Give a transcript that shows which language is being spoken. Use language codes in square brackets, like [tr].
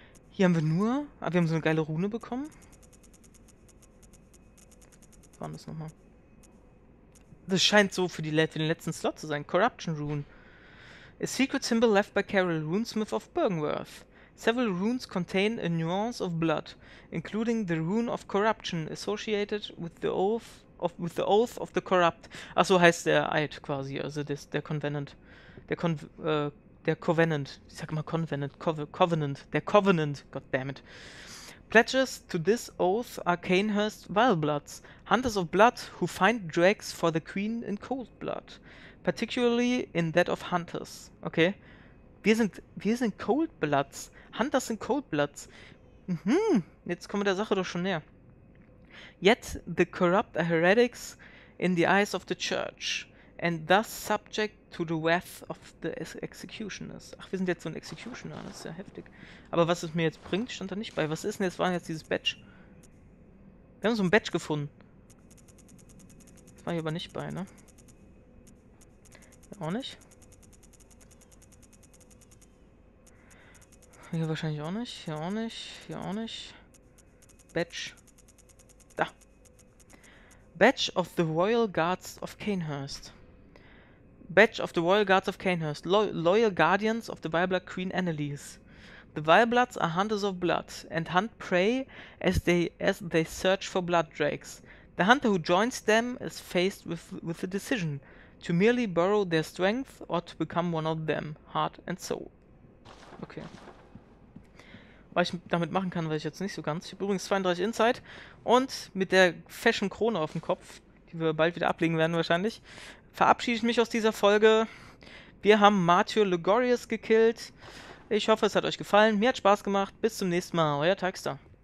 [de] Hier haben wir nur. Ah, wir haben so eine geile Rune bekommen. Was war das nochmal? Das scheint so für den letzten Slot zu sein. [en] Corruption Rune. A secret symbol left by Carol Runesmith of Bergenworth. Several runes contain a nuance of blood, including the rune of corruption associated with the oath. With the Oath of the Corrupt. [de] Ach so heißt der Eid quasi, also der Convenant. Der Covenant. Ich sag mal Convenant. Covenant. Der Covenant. [en] God damn it. Pledges to this oath are Kanehurst Vilebloods, hunters of blood who find dregs for the Queen in cold blood, particularly in that of hunters. [de] Okay. Wir sind Cold Bloods. Hunters sind Cold Bloods. Jetzt kommen wir der Sache doch schon näher. [en] Yet the corrupt are heretics in the eyes of the church and thus subject to the wrath of the executioners. [de] Ach, wir sind jetzt so ein Executioner, das ist ja heftig. Aber was es mir jetzt bringt, stand da nicht bei. Was ist denn jetzt? War jetzt dieses Badge? Wir haben so ein Badge gefunden. Das war hier aber nicht bei, ne? Auch nicht. Hier wahrscheinlich auch nicht. Hier auch nicht. Hier auch nicht. Badge. [en] Badge of the Royal Guards of Kanehurst. Badge of the Royal Guards of Kanehurst. Loyal Guardians of the Vileblood Queen Annalise. The Vilebloods are hunters of blood and hunt prey as they search for blood drakes. The hunter who joins them is faced with the decision to merely borrow their strength or to become one of them, heart and soul. Okay. [de] Was ich damit machen kann, weiß ich jetzt nicht so ganz. Ich habe übrigens 32 Insight und mit der fashion Krone auf dem Kopf, die wir bald wieder ablegen werden wahrscheinlich, verabschiede ich mich aus dieser Folge. Wir haben Martyr Ligorius gekillt. Ich hoffe, es hat euch gefallen. Mir hat Spaß gemacht. Bis zum nächsten Mal. Euer Tagster.